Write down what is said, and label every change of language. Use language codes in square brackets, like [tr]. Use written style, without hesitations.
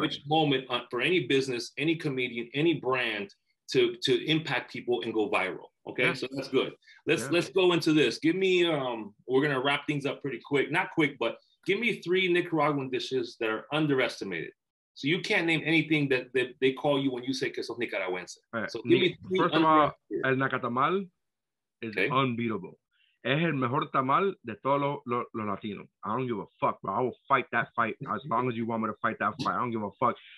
[en] Which moment for any business, any comedian, any brand to impact people and go viral. Okay, yeah. So that's good. Let's go into this. Give me, we're going to wrap things up pretty quick. Not quick, but give me three Nicaraguan dishes that are underestimated. So you can't name anything that they call you when you say [es] queso nicaragüense. [en] Right. So give me three. First of all, el nacatamal is unbeatable. [es] Es el mejor tamal de todos los latinos. [en] I don't give a fuck, bro. I will fight that fight as long as you want me to fight that fight. I don't give a fuck.